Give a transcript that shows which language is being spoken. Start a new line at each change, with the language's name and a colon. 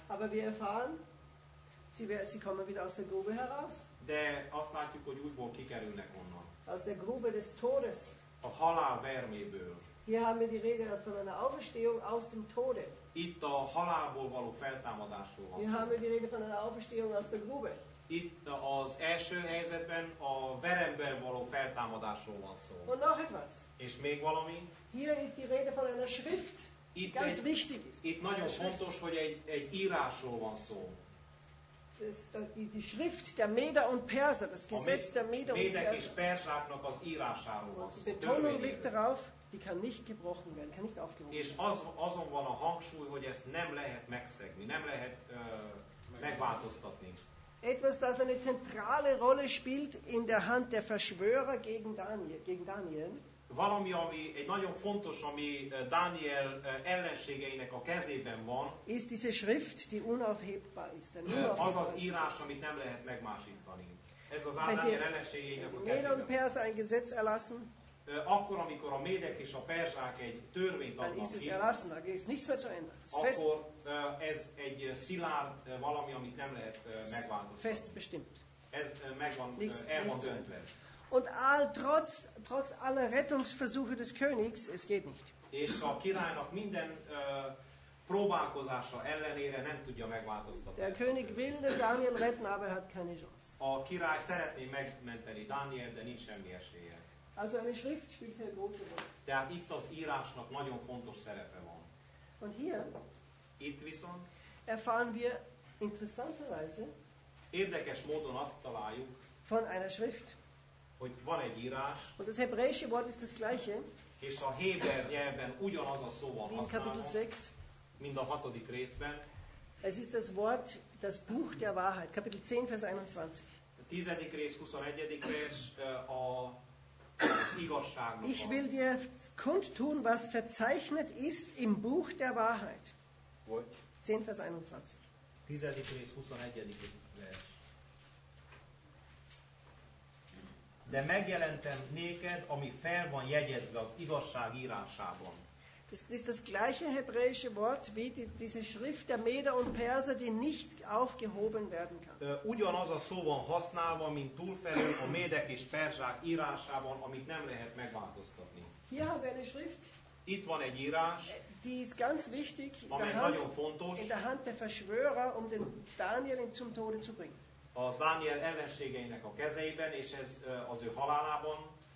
German: Aber wir erfahren, sie kommen wieder aus der Grube heraus.
Hungarian: De azt látjuk, hogy újból kikerülnek onnan.
German: Aus der Grube des Todes.
Hungarian: A halál verméből.
German: Hier haben wir die Rede von einer Auferstehung aus dem Tode.
Hungarian: Itt a halálból való feltámadásról.
German: Hier haben wir die Rede von einer Auferstehung aus der Grube.
Hungarian: Itt az első helyzetben a veremből való feltámadásról van szó.
German: Und noch etwas.
Hungarian: És még valami.
German: Hier ist die Rede von einer Schrift.
Hungarian: Itt
German: ganz wichtig ist.
Hungarian: Itt nagyon fontos, hogy egy írásról van szó.
German: Die Schrift der Meder und Perser, das Gesetz der Meder und Perser.
Hungarian: És Perzsáknak az írásáról van szó.
German: Die Betonung liegt darauf, die kann nicht gebrochen werden, kann nicht aufgehoben werden.
Hungarian: És azon van a hangsúly, hogy ezt nem lehet megszegni, nem lehet megváltoztatni.
German: Etwas, das eine zentrale Rolle spielt in der Hand der Verschwörer gegen Daniel.
Hungarian: Valami, ami egy nagyon fontos, ami Dániel ellenségeinek a kezében van.
German: Ist diese Schrift, die unaufhebbar ist.
Hungarian: Az az írás, amit nem lehet megmásítani. Ez az Dániel ellenségeinek a kezében.
German: Méd und Perser ein Gesetz erlassen.
Hungarian: Akkor, amikor a médek és a perzsák egy törvényt adnak ki.
German: Ist es erlassen, da ist nichts mehr zu ändern.
Hungarian: Akkor ez egy szilárd valami, amit nem lehet megváltoztatni.
German: Fest bestimmt.
Hungarian: Ez megvan, el van döntve.
German: Und trotz aller Rettungsversuche des Königs, es geht nicht.
Hungarian: És a királynak minden próbálkozása ellenére nem tudja megváltoztatni.
German: Der König will den Daniel retten, aber hat keine Chance.
Hungarian: A király szeretné megmenteni Daniel, de nincs semmi esélye.
German: Also eine Schrift spielt hier große Rolle.
Hungarian: Tehát itt az írásnak nagyon fontos szerepe van.
German: Und hier,
Hungarian: itt viszont,
German: erfahren wir interessanterweise,
Hungarian: érdekes módon azt találjuk,
German: von einer Schrift,
Hungarian: hogy van egy írás.
German: Und das hebräische Wort ist das gleiche.
Hungarian: És a héber nyelven ugyanaz a szó van használva. Mind a hatodik részben.
German: Es ist das Wort, das Buch der Wahrheit. Kapitel 10, Vers 21.
Hungarian: A tizedik rész, 21. vers a igazságnak.
German: Ich will dir kundtun, was verzeichnet ist im Buch der Wahrheit.
Hungarian: Volt.
German: 10, Vers 21.
Hungarian: Tizedik rész, 21. vers. De megjelentem néked, ami fel van jegyezve az igazság írásában.
German: Das ist das gleiche hebräische Wort wie diese Schrift der Meder und Perser, die nicht aufgehoben werden kann.
Hungarian: Ugyanaz a szó van használva, mint túlfelül a médek és perzsák írásában, amit nem lehet megváltoztatni.
German: Hier haben wir eine Schrift.
Hungarian: Itt van egy írás.
German: Die ist ganz wichtig.
Hungarian: Amely nagyon fontos.
German: In der Hand der Verschwörer, um den Daniel zum Tode zu bringen.
Hungarian: Az Dániel ellenségeinek a kezeiben, és ez az ő halálában,